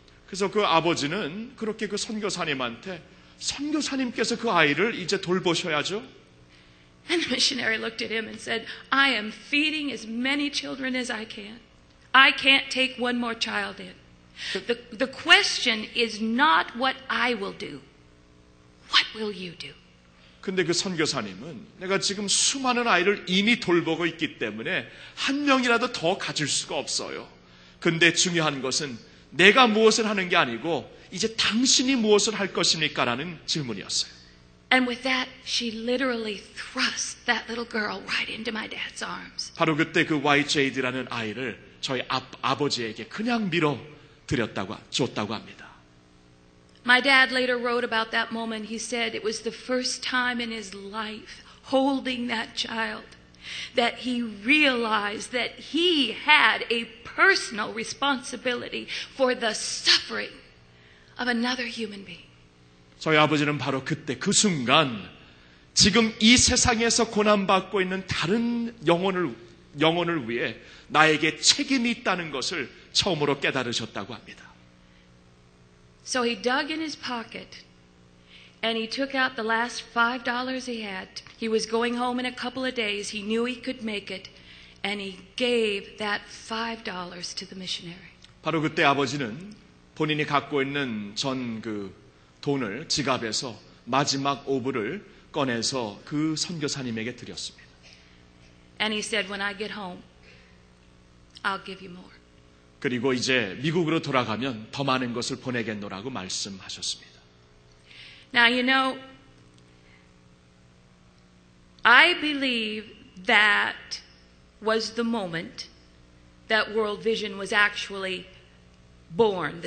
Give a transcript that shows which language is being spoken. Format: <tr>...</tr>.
<ko>그래서 그 아버지는 그렇게 그 선교사님한테 선교사님께서 그 아이를 이제 돌보셔야죠.</ko> <en>And the missionary looked at him and said, "I am feeding as many children as I can. I can't take one more child in. The question is not what I will do. What will you do?"</en> <ko>근데 그 선교사님은 내가 지금 수많은 아이를 이미 돌보고 있기 때문에 한 명이라도 더 가질 수가 없어요. 근데 중요한 것은 내가 무엇을 하는 게 아니고 이제 당신이 무엇을 할 것입니까라는 질문이었어요.</ko> <en>And with that, she literally thrust that little girl right into my dad's arms.</en> <ko>바로 그때 그 YJ라는 아이를 저희 아버지에게 그냥 밀어 드렸다고 줬다고 합니다.</ko> <en>My dad later wrote about that moment. He said it was the first time in his life holding that child that he realized that he had a personal responsibility for the suffering of another human being.</en> <ko>저희 아버지는 바로 그때 그 순간 지금 이 세상에서 고난 받고 있는 다른 영혼을 위해 나에게 책임이 있다는 것을 처음으로 깨달으셨다고 합니다.</ko> <en>So he dug in his pocket and he took out the last $5 he had. He was going home in a couple of days. He knew he could make it and he gave that $5 to the missionary.</en> <ko>바로 그때 아버지는 본인이 갖고 있는 전 그 돈을 지갑에서 마지막 5불을 꺼내서 그 선교사님에게 드렸습니다.</ko> <en>And he said, "When I get home, I'll give you more."</en> <ko>그리고 이제 미국으로 돌아가면 더 많은 것을 보내겠노라고 말씀하셨습니다.</ko> <en>Now you know, I believe that was the moment that World Vision was actually born.</en>